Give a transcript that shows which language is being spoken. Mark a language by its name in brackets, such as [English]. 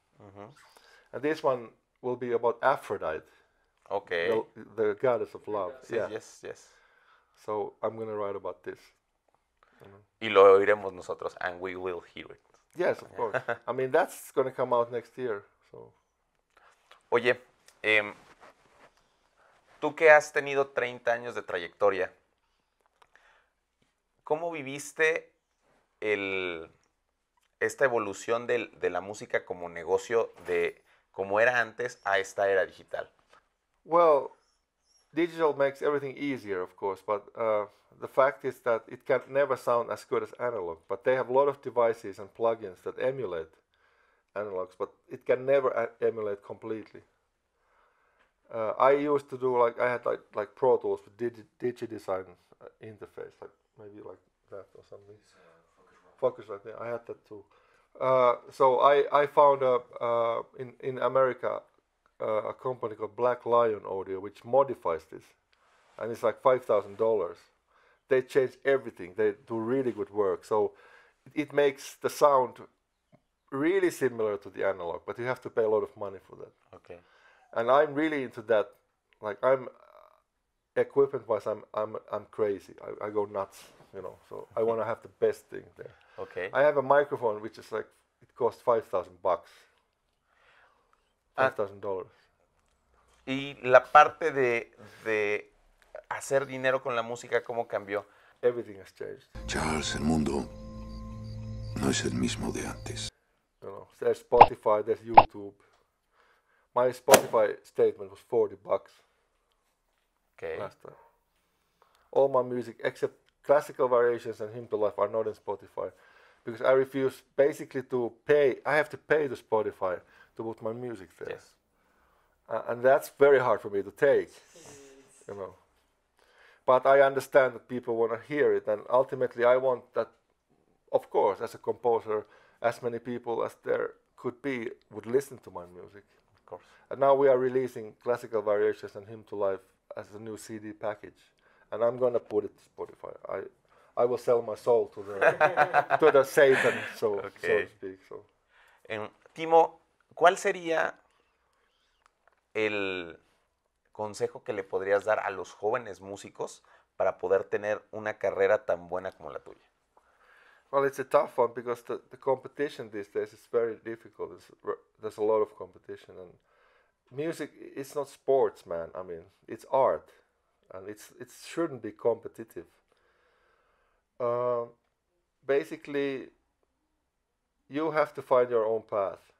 [English] Mm-hmm. And this one will be about Aphrodite. Okay. The goddess of love. Yeah. Yes. So I'm going to write about this. [Spanish] Y lo oiremos nosotros, [English] and we will hear it. Yes, of course. I mean, that's going to come out next year. So. [Spanish] Oye, tú que has tenido 30 años de trayectoria, ¿cómo viviste esta evolución de la música como negocio, de como era antes a esta era digital? [English] Well, digital makes everything easier, of course, but the fact is that it can never sound as good as analog, but they have a lot of devices and plugins that emulate analogs, but it can never emulate completely. I used to do I had Pro Tools with DigiDesign interface, like maybe like that or something. Focusrite, I had that too. So I found in America a company called Black Lion Audio, which modifies this, and it's like $5,000. They change everything. They do really good work. So it makes the sound really similar to the analog, but you have to pay a lot of money for that. Okay. And I'm really into that. Like, I'm equipment wise, I'm crazy. I go nuts, you know. So I want to have the best thing there. Okay. I have a microphone which is like, it costs $5,000. $5,000. [Spanish] Y la parte de hacer dinero con la música, ¿cómo cambió? [English] Everything has changed. [Spanish] Charles, el mundo no es el mismo de antes. [English] You know, there's Spotify, there's YouTube. My Spotify statement was $40. Okay. Last time. All my music, except Classical Variations and Hymn to Life, are not in Spotify. Because I refuse basically to pay. I have to pay to Spotify to put my music there. Yes. And that's very hard for me to take. Yes. You know. But I understand that people want to hear it. And ultimately, I want that, of course, as a composer, as many people as there could be would listen to my music. Of course. And now we are releasing Classical Variations and Hymn to Life as a new CD package. And I'm going to put it to Spotify. I will sell my soul to the to the Satan, so to speak. So. [Spanish] Timo, ¿cuál sería el consejo que le podrías dar a los jóvenes músicos para poder tener una carrera tan buena como la tuya? [English] Well, it's a tough one because the competition these days is very difficult. There's a lot of competition, and music is not sports, man. I mean, it's art, and it shouldn't be competitive. Basically, you have to find your own path.